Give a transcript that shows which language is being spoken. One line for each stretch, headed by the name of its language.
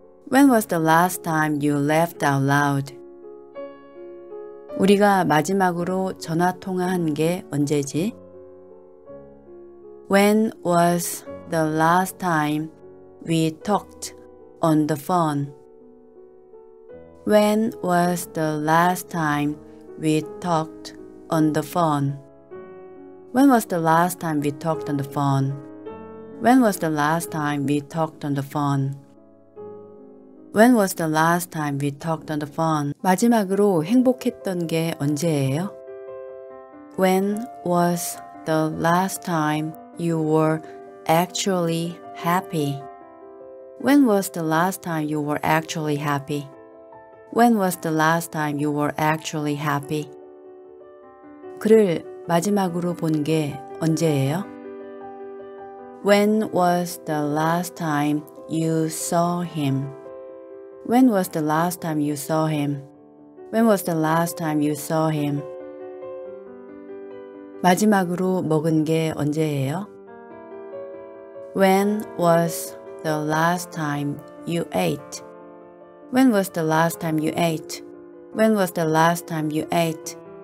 English: When was the last time you laughed out loud?
Korean: 우리가 마지막으로 전화 통화한 게 언제지?
English: When was the last time we talked on the phone? When was the last time we talked on the phone? When was the last time we talked on the phone? When was the last time we talked on the phone? When was the last time we talked on the phone?
Korean: 마지막으로 행복했던 게 언제예요?
English: When was the last time you were actually happy? When was the last time you were actually happy? When was the last time you were actually happy?
Korean: 그를 마지막으로 본 게 언제예요?
English: When was the last time you saw him? When was the last time you saw him? When was the last time you saw him?
Korean: 마지막으로 먹은 게 언제예요?
English: When was the last time you ate? When was the last time you ate? When was the last time you ate?